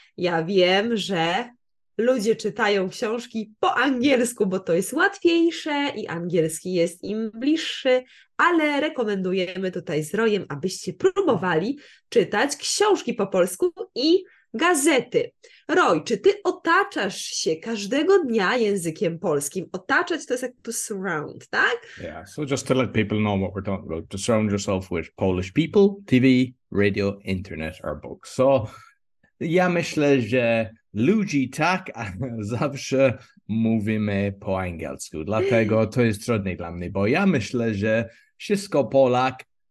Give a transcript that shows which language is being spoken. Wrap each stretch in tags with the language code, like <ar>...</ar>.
<pl>Ja wiem, że ludzie czytają książki po angielsku, bo to jest łatwiejsze i angielski jest im bliższy, ale rekomendujemy tutaj z Rojem, abyście próbowali czytać książki po polsku i gazety. Roj, czy ty otaczasz się każdego dnia językiem polskim? Otaczać to jest jak to surround, tak?</pl> <en>Yeah, so just to let people know what we're talking about, to surround yourself with Polish people, TV, radio, internet or books.</en> <pl>So ja myślę, że ludzi tak, a zawsze mówimy po angielsku. Dlatego to jest trudne dla mnie, bo ja myślę, że wszystko Polak...</pl>